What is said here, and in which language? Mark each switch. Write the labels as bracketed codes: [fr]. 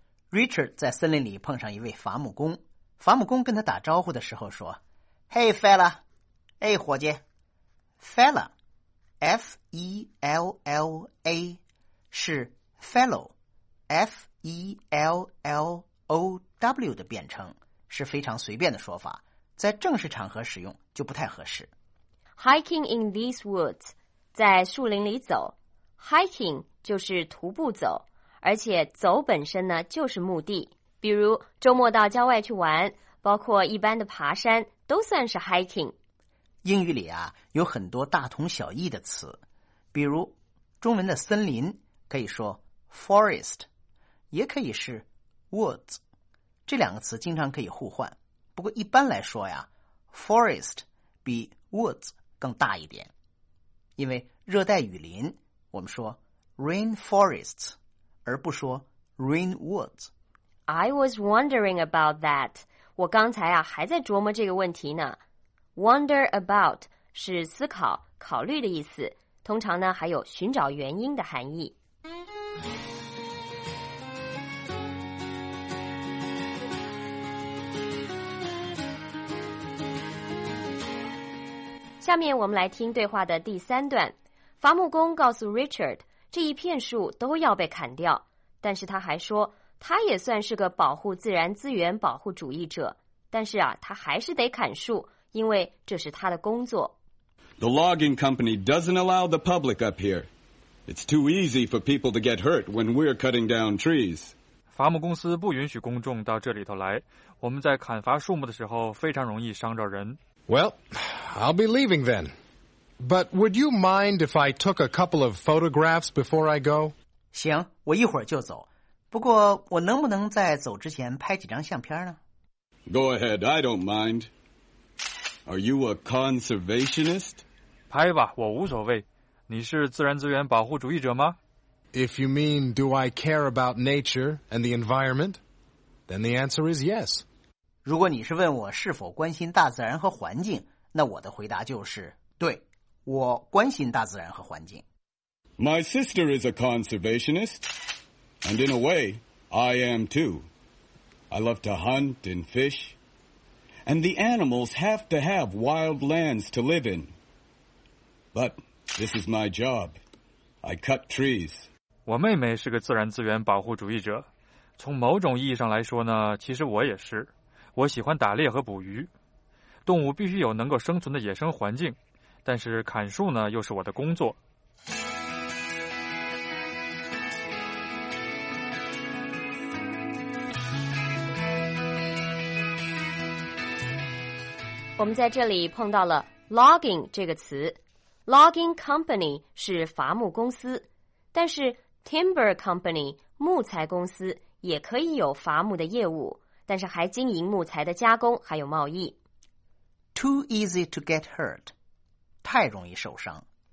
[zh] Richard 在森林里碰上一位伐木工，伐木工跟他打招呼的时候说 ： [en] “Hey fella， [zh] 哎伙计 ，fella，F-E-L-L-A 是 fellow，F-E-L-L-O-W 的变称，是非常随便的说法。” 在正式场合使用就不太合适。 [en] Hiking in these woods， [zh] 在树林里走。 Hiking 就是徒步走，而且走本身呢就是目的。比如周末到郊外去玩，包括一般的爬山，都算是 hiking。英语里啊有很多大同小异的词，比如中文的森林可以说 forest， 也可以是 woods， 这两个词经常可以互换。不过一般来说呀 ，forest 比 woods 更大一点，因为热带雨林我们说 rainforests， 而不说 rain woods。 [en] I was wondering about that。 [zh] 我刚才啊还在琢磨这个问题呢。Wonder about 是思考、考虑的意思，通常呢还有寻找原因的含义。下面我们来听对话的第三段。伐木工告诉 Richard， 这一片树都要被砍掉，但是他还说，他也算是个保护自然资源保护主义者，但是啊，他还是得砍树，因为这是他的工作。 [en] The logging company doesn't allow the public up here. It's too easy for people to get hurt when we're cutting down trees. [zh] 伐木公司不允许公众到这里头来，我们在砍伐树木的时候非常容易伤着人。 [en] Well, I'll be leaving then. But would you mind if I took a couple of photographs before I go? [zh] 行，我一会儿就走。不过我能不能在走之前拍几张相片呢？ [en] Go ahead, I don't mind. Are you a conservationist? [zh] 拍吧，我无所谓。你是自然资源保护主义者吗？ [en] If you mean do I care about nature and the environment, then the answer is yes. [zh] 如果你是问我是否关心大自然和环境，那我的回答就是，对，我关心大自然和环境。 [en] My sister is a conservationist, and in a way, I am too. I love to hunt and fish, and the animals have to have wild lands to live in. But this is my job. I cut trees. [zh] 我妹妹是个自然资源保护主义者，从某种意义上来说呢，其实我也是。我喜欢打猎和捕鱼，动物必须有能够生存的野生环境，但是砍树呢，又是我的工作。我们在这里碰到了 logging 这个词。Logging company 是伐木公司，但是 timber company 木材公司也可以有伐木的业务，但是还经营木材的加工还有贸易。 [en] Too easy to get hurt， [zh] 太容易受伤。